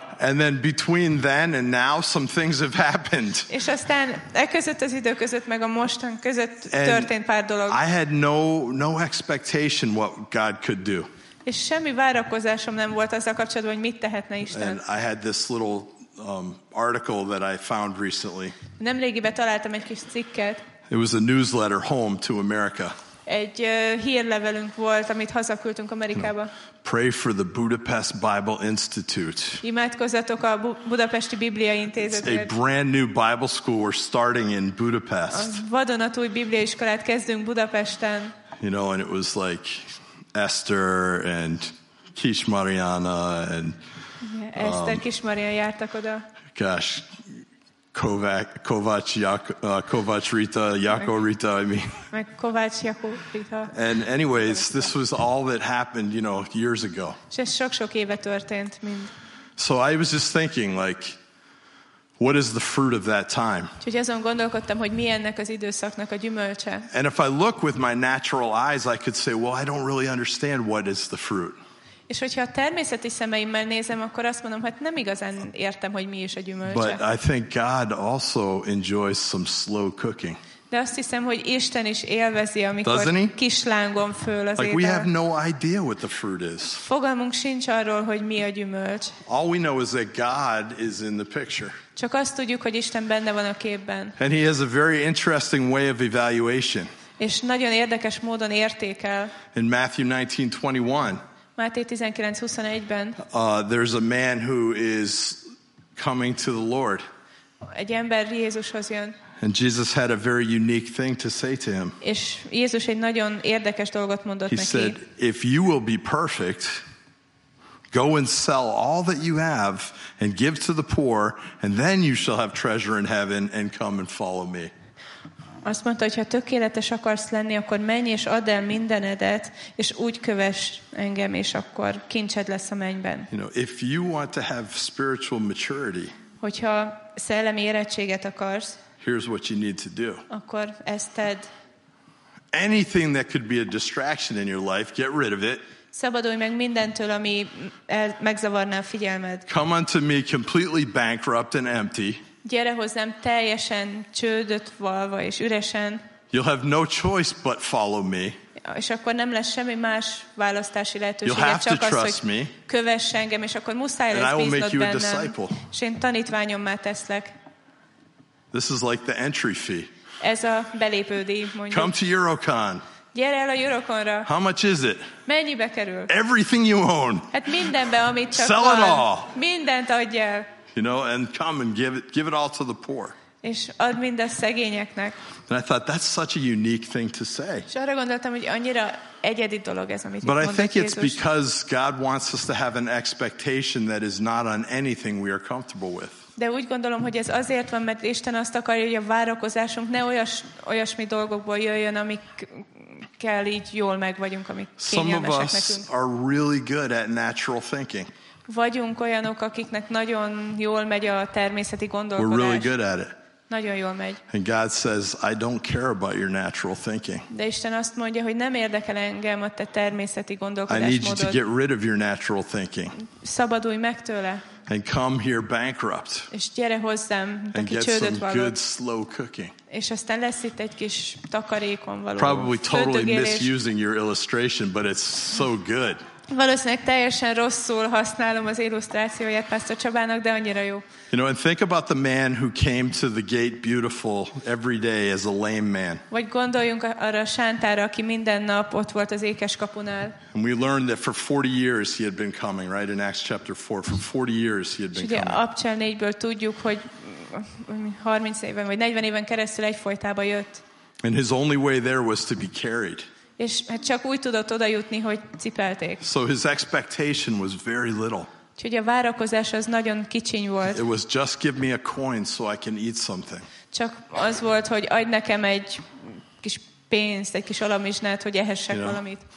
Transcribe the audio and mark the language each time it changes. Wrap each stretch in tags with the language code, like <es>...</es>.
<en>And then between then and now, some things have happened.</en> <hu>És aztán e között az idő között meg a mostan között történt pár dolog.</hu> <en>I had no expectation what God could do.</en> <hu>És semmi várakozásom nem volt azzal kapcsolatban, hogy mit tehetne Isten.</hu> <en>And I had this little article that I found recently.</en> <hu>Nemrégiben találtam egy kis cikket.</hu> <en>It was a newsletter home to America.</en> <hu>Egy hírlevelünk volt, amit hazaküldtünk Amerikába.</hu> <en>Pray for the Budapest Bible Institute.</en> <hu>Imádkozzatok a Budapesti Biblia Intézetért.</hu> <en>A brand new Bible school we're starting in Budapest.</en> <hu>A vadonatúj bibliaiskolát kezdünk Budapesten.</hu> <en>You know, and it was like Esther and Kis Mariana and</en> <hu>Esther Kis Mariana jártak oda.</hu> <en>Gosh. Kovács Rita, Jakó Rita, I mean.</en> <hu>Kovács Jakó Rita.</hu> <en>And anyways, this was all that happened, you know, years ago.</en> <hu>És sok-sok éve történt mind.</hu> <en>So I was just thinking, like, What is the fruit of that time?</en> <hu>Úgyhogy azon gondolkodtam, hogy mi ennek az időszaknak a gyümölcse.</hu> <en>And if I look with my natural eyes, I could say, well, I don't really understand what is the fruit.</en> <hu>És hogyha a természeti szemeimmel nézem, akkor azt mondom, hogy nem igazán értem, hogy mi is a gyümölcse.</hu> <en>But I think God also enjoys some slow cooking.</en> <hu>De azt hiszem, hogy Isten is élvezi, amikor kislángon föl az</hu> <en>like</en> <hu>étel.</hu> <en>We have no idea what the fruit is.</en> <hu>Fogalmunk sincs arról, hogy mi a gyümölcs.</hu> <en>All we know is that God is in the picture.</en> <hu>Csak azt tudjuk, hogy Isten benne van a képben.</hu> <en>And he has a very interesting way of evaluation.</en> <hu>És nagyon érdekes módon értékel.</hu> <en>In Matthew 19:21.</en> <hu>Máté 19:21-ben.</hu> <en>There's a man who is coming to the Lord.</en> <hu>Egy ember Jézushoz jön.</hu> <en>And Jesus had a very unique thing to say to him.</en> <hu>És Jézus egy nagyon érdekes dolgot mondott</hu> <en>he</en> <hu>neki.</hu> <en>He said, if you will be perfect, go and sell all that you have and give to the poor, and then you shall have treasure in heaven and come and follow me.</en> <hu>Azt mondta, hogy ha tökéletes akarsz lenni, akkor menj és add el mindenedet, és úgy kövess engem, és akkor kincsed lesz a mennyben.</hu> <en>You know, if you want to have spiritual maturity,</en> <hu>hogyha szellemi érettséget akarsz,</hu> <en>here's what you need to do.</en> <hu>Akkor ezt tedd.</hu> <en>Anything that could be a distraction in your life, get rid of it.</en> <hu>Szabadulj meg mindentől, ami megzavarná a figyelmed.</hu> <en>Come unto me completely bankrupt and empty.</en> <hu>Gyere hozzám teljesen csődöt valva és üresen.</hu> <en>You'll have no choice but follow me.</en> <hu>És akkor nem lesz semmi más választási lehetőség.</hu> <en>You'll have</en> <hu>csak</hu> <en>to trust</en> <hu>az, hogy kövess engem, és akkor muszáj lesz bíznod bennem.</hu> <en>And I will make you a disciple.</en> <hu>És én tanítványommá teszlek.</hu> <en>This is like the entry fee.</en> <hu>Ez a belépődi, mondjuk.</hu> <en>Come to Eurocon.</en> <hu>Gyere el a Eurocon-ra.</hu> <en>How much is it?</en> <hu>Mennyibe kerül?</hu> <en>Everything you own.</en> <hu>Hát mindenbe, amit csak</hu> <en>sell</en> <hu>van.</hu> <en>It all.</en> <hu>Mindent adj el.</hu> <en>You know, and come and give it all to the poor.</en> <hu>És add mindezt szegényeknek.</hu> <en>And I thought that's such a unique thing to say.</en> <hu>És arra gondoltam, hogy annyira egyedi dolog ez, amit</hu> <en>But I think</en> <hu>Jézus.</hu> <en>It's because God wants us to have an expectation that is not on anything we are comfortable with.</en> <hu>De úgy gondolom, hogy ez azért van, mert Isten azt akarja, hogy a várakozásunk ne olyasmi dolgokból jöjjön, amikkel így jól megvagyunk, amik kényelmesek</hu> <en>Some of us</en> <hu>nekünk.</hu> <en>Are really good at natural thinking.</en> <hu>Vagyunk olyanok, akiknek nagyon jól megy a természeti gondolkodás.</hu> <en>We're really good at it.</en> <hu>Nagyon jól megy.</hu> <en>And God says, I don't care about your natural thinking.</en> <hu>De Isten azt mondja, hogy nem érdekel engem a te természeti gondolkodásmódod.</hu> <en>I need you to get rid of your natural thinking.</en> <hu>Szabadulj meg tőle.</hu> <en>And come here bankrupt.</en> <hu>És gyere hozzám,</hu> <en>and get some</en> <hu>valót.</hu> <en>Good slow cooking.</en> <hu>És aztán lesz itt egy kis takarékon való.</hu> <en>Probably totally misusing your illustration, but it's so good.</en> <hu>Valószínűleg teljesen rosszul használom az illusztrációját Pásztor Csabának, de annyira jó.</hu> <en>You know, and think about the man who came to the gate beautiful every day as a lame man.</en> <hu>Vagy gondoljunk arra a sántára, aki minden nap ott volt az ékes kapunál.</hu> <en>And we learned that for 40 years he had been coming, right? In Acts chapter 4, for 40 years he had been coming.</en> <hu>Abcsel 4-ből tudjuk, hogy 30 éven vagy 40 éven keresztül egyfolytában jött.</hu> <en>And his only way there was to be carried.</en> <hu>És hát csak úgy tudott odajutni, hogy cipelték.</hu> <en>So his expectation was very little.</en> <hu>Úgyhogy a várakozás az nagyon kicsiny volt.</hu> <en>It was just give me a coin so I can eat something.</en> <hu>Csak az volt, hogy adj nekem egy kis pénzt, egy kis alamizsnát, hogy ehessek</hu> <en>you know,</en> <hu>valamit.</hu>